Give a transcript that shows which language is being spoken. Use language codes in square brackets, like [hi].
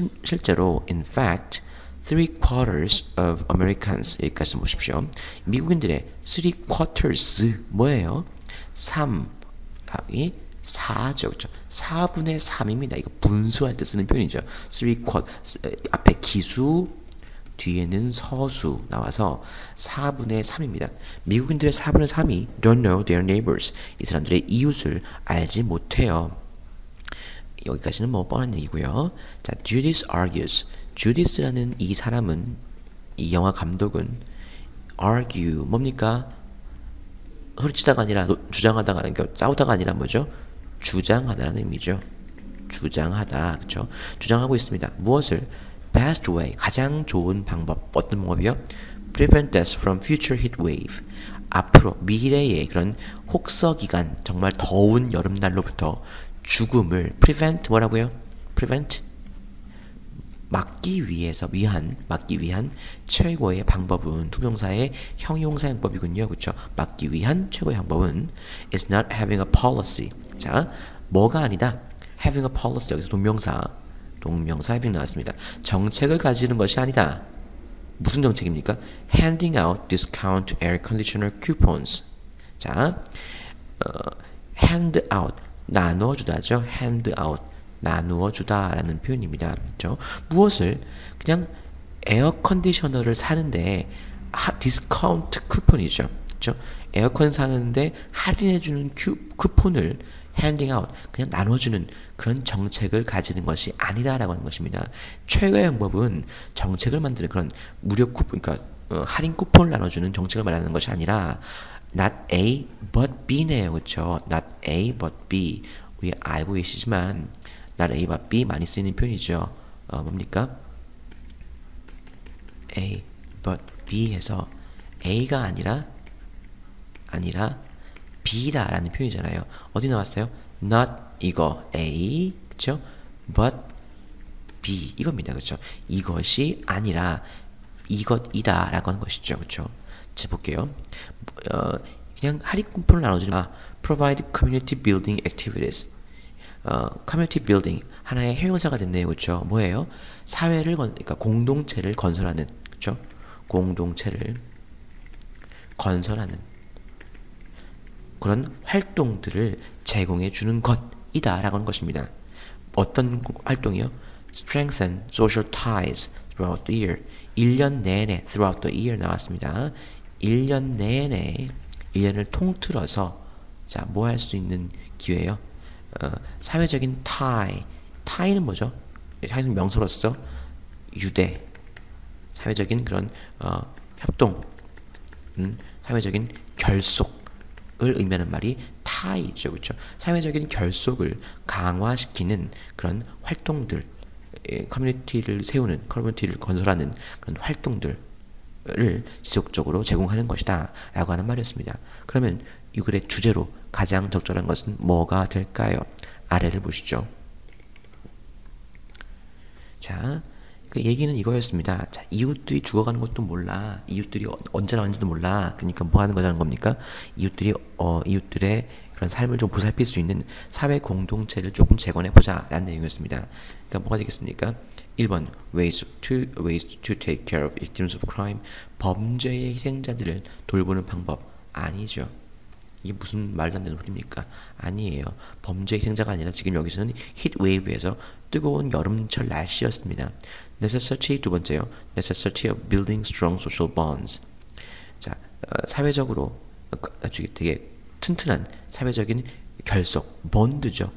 [ko] 실제로, [en] in fact, three quarters of Americans, [ko] 여기까지 보십시오. 미국인들의 [en] three quarters, [ko] 뭐예요? 3, 여기 4죠. 그쵸? 4분의 3입니다. 이거 분수할 때 쓰는 표현이죠. [en] three quarters, [ko] 앞에 기수, 뒤에는 서수 나와서 4분의 3입니다. 미국인들의 4분의 3이 [en] don't know their neighbors. [ko] 이 사람들의 이웃을 알지 못해요. 여기까지는 뭐 뻔한 얘기고요. [en] 자, Judith argues. [ko] Judith라는 이 사람은, 이 영화 감독은 [en] argue, [ko] 뭡니까? 소리치다가 아니라 주장하다가, 그러니까 싸우다가 아니라 뭐죠? 주장하다라는 의미죠. 주장하다, 그렇죠? 주장하고 있습니다. 무엇을? [en] Best way, [ko] 가장 좋은 방법, 어떤 방법이요? [en] Prevent us from future heat wave. [ko] 앞으로 미래의 그런 혹서 기간, 정말 더운 여름날로부터 죽음을 [en] prevent [ko] 뭐라고요? [en] Prevent [ko] 막기 위한 최고의 방법은 투명사의 형용사 형법이군요, 그렇죠? 막기 위한 최고의 방법은 [en] is not having a policy. [ko] 자, 뭐가 아니다. [en] Having a policy [ko] 여기서 동명사. 동명사 having 나왔습니다. 정책을 가지는 것이 아니다. 무슨 정책입니까? [en] Handing out discount air conditioner coupons. [ko] 자, [en] hand out [ko] 나누어주다죠. [en] Hand out [ko] 나누어주다라는 표현입니다. 그렇죠? 무엇을 그냥 에어컨디셔너를 사는데 디스카운트 쿠폰이죠. 그렇죠? 에어컨 사는데 할인해주는 쿠폰을 [en] handing out [ko] 그냥 나눠주는 그런 정책을 가지는 것이 아니다라고 하는 것입니다. 최고의 방법은 정책을 만드는 그런 무료 쿠폰, 그러니까 할인 쿠폰을 나눠주는 정책을 말하는 것이 아니라 [en] not A but B [ko] 네요, 그렇죠? [en] Not A but B [ko] 우리 알고 계시지만 [en] not A but B [ko] 많이 쓰이는 표현이죠. 뭡니까? A but B에서 A가 아니라 B다라는 표현이잖아요. 어디 나왔어요? [en] Not [ko] 이거 A, 그쵸? [en] But B [ko] 이겁니다. 그쵸? 이것이 아니라 이것이다라고 하는 것이죠. 그쵸? 자, 볼게요. 그냥 할인 쿠폰을 나눠주나 [en] Provide community building activities. Community building [ko] 하나의 형용사가 됐네요. 그쵸? 뭐예요? 사회를 그러니까 공동체를 건설하는 그쵸? 공동체를 건설하는 그런 활동들을 제공해 주는 것이다라고 하는 것입니다. 어떤 활동이요? [en] Strengthen social ties throughout the year. [ko] 1년 내내, [en] throughout the year [ko] 나왔습니다. 1년 내내, 1년을 통틀어서, 자, 뭐할수 있는 기회예요? 사회적인 [en] tie. [ko] tie는 뭐죠? 사회적인 명사로서 유대. 사회적인 그런, 협동. 사회적인 결속. 을 의미하는 말이 타이죠. 그렇죠? 사회적인 결속을 강화시키는 그런 활동들, 커뮤니티를 세우는, 커뮤니티를 건설하는 그런 활동들을 지속적으로 제공하는 것이다 라고 하는 말이었습니다. 그러면 이 글의 주제로 가장 적절한 것은 뭐가 될까요? 아래를 보시죠. 자, 그 얘기는 이거였습니다. 자, 이웃들이 죽어가는 것도 몰라. 이웃들이 언제 나왔는지도 몰라. 그러니까 뭐 하는 거냐는 겁니까? 이웃들의 그런 삶을 좀 보살필 수 있는 사회 공동체를 조금 재건해보자라는 내용이었습니다. 그러니까 뭐가 되겠습니까? 1번, [en] ways to take care of victims of crime. [ko] 범죄의 희생자들을 돌보는 방법. 아니죠. 이게 무슨 말도 안 되는 소리입니까? 아니에요. 범죄 희생자가 아니라 지금 여기서는 히트웨이브에서 뜨거운 여름철 날씨였습니다. [en] Necessity [ko] 두 번째요. [en] Necessity of building strong social bonds. [ko] 자, 사회적으로 아주 되게 튼튼한 사회적인 결속, 본드죠.